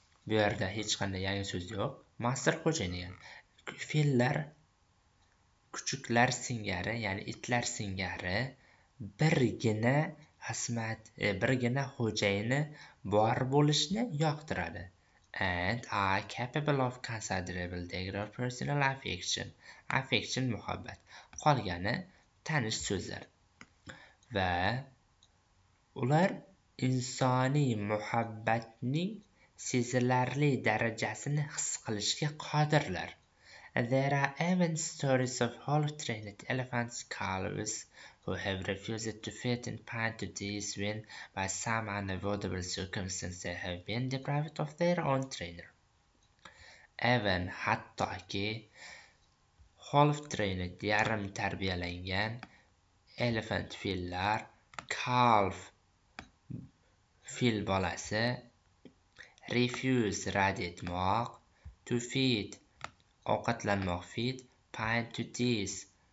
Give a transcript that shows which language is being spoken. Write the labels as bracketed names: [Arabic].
[Uzbek] Bu yerda hech qanday yangi so'z yo'q. Master xo'jayin. Fillar kuchuklar singari, ya'ni itlar singari birgina xo'jayini bor bo'lishni yoqtiradi. [English] And are capable of considerable degree of personal affection. [Uzbek] Affection muhabbat. Qolgani tanish so'zlar. Va ular insoniy muhabbatning sezilarli darajasini his qilishga qodirlar. [English] There are even stories of half-trained elephants calves who have refused to feed and pant to these when, by some unavoidable circumstance, they have been deprived of their own trainer. [Uzbek] Even hattoki half-trained yarim tarbiyalangan elephant fillar calf fil bolasi refuse rad etmoq to feed ovqatlanmoq feed pant to these.